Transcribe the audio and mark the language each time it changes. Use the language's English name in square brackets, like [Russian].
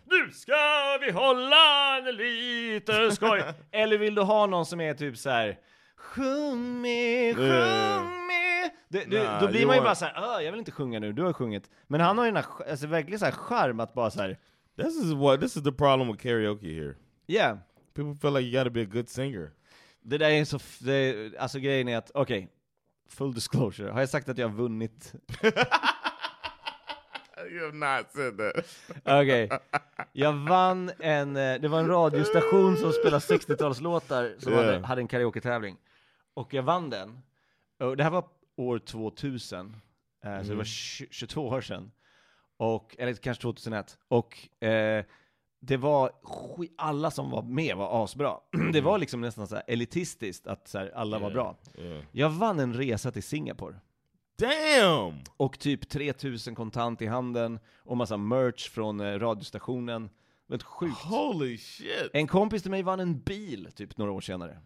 [Swedish] Nu ska vi hålla en lite skoj. Eller vill du ha någon som är typ så här, sjung med, sjung med. Då blir man ju bara så här, jag vill inte sjunga nu, du har sjungit. Men han har ju alltså verkligen så här charm att bara så här. [English] This is the problem with karaoke here. Yeah. People feel like you gotta be a good singer. [Swedish] Det där är så, alltså grejen är att, okej, okay, [English] full disclosure. [Swedish] Har jag sagt att jag har vunnit? [English] You have not said that. [Swedish] Okej. Okay. Jag vann en, det var en radiostation som spelade 60-talslåtar som hade en karaoke-tävling. Och jag vann den. Och det här var år 2000. Så det var 22 år sedan. Och, eller kanske 2001. Och det var alla som var med var asbra. Det var liksom nästan så här elitistiskt att så här alla var bra. Yeah. Jag vann en resa till Singapore. [English] Damn! [Swedish] Och typ 3000 kontant i handen. Och massa merch från radiostationen. Helt sjukt. [English] Holy shit! [Swedish] En kompis till mig vann en bil typ några år senare.